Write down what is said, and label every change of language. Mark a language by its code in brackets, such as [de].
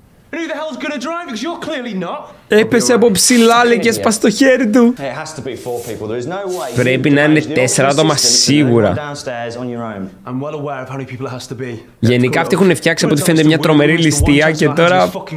[en] Who the hell's gonna drive? Because you're clearly not. [el] Έπεσε από ψηλά, λέει, και έσπασε το χέρι του. [en] It has to be four people. There is no way. [el] Πρέπει να είναι τέσσερα άτομα σίγουρα. [en] I'm well aware of how many people it has to be. [el] Γενικά αυτοί έχουν φτιάξει από ό,τι φαίνεται μια τρομερή ληστεία και τώρα...